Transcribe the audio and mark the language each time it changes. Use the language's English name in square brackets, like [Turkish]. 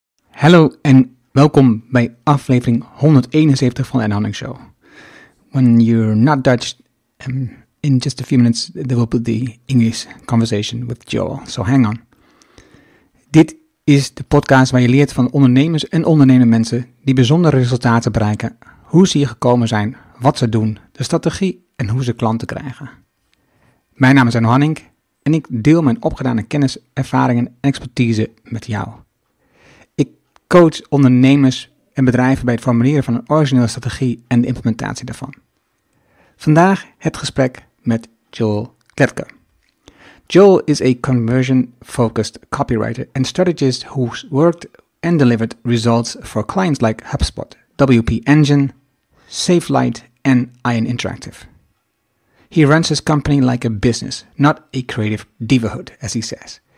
[Dutch] Hallo en welkom bij aflevering 171 van Anne Hanning Show. [English] When you're not Dutch, in just a few minutes there will be the English conversation with Joel. So hang on. [Dutch] Dit is de podcast waar je leert van ondernemers en ondernemende mensen die bijzondere resultaten bereiken, hoe ze hier gekomen zijn, wat ze doen, de strategie en hoe ze klanten krijgen. Mijn naam is Anne Hanning en ik deel mijn opgedane kennis, ervaringen en expertise met jou. Coach ondernemers en bedrijven bij het formuleren van een originele strategie en de implementatie daarvan. Vandaag het gesprek met Joel Klettke. [English] Joel is a conversion-focused copywriter and strategist who's worked and delivered results for clients like HubSpot, WP Engine, SafeLight and Ion Interactive. He runs his company like a business, not a creative divahood, as he says.